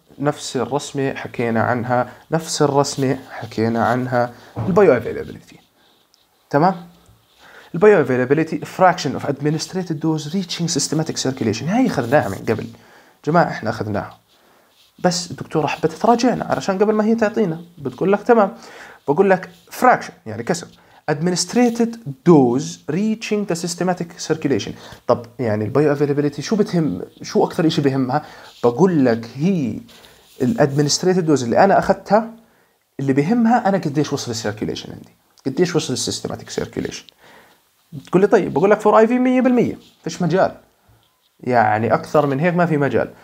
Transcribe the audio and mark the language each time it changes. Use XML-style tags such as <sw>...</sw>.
<ar>نفس الرسمه حكينا عنها، نفس الرسمه حكينا عنها البايو افيلابيليتي تمام. البايو افيلابيليتي</ar> <en>fraction of administered dose reaching systematic circulation,</en> <ar>هاي اخذناها من قبل جماعه، احنا اخذناها بس الدكتوره حبت تراجعنا علشان قبل ما هي تعطينا بتقول لك تمام. بقول لك فراكشن يعني كسر</ar> <en>administrated dose reaching the systematic circulation.</en> <ar>طب يعني البايو افيلابيليتي شو بتهم، شو اكثر شيء بهمها؟ بقول لك هي الادمنستريتد دوز اللي انا اخذتها اللي بهمها انا قديش وصل السيركيليشن عندي، قديش وصل السيستماتيك سيركيليشن. تقول لي طيب، بقول لك فور اي في 100% فيش مجال، يعني اكثر من هيك ما في مجال.</ar>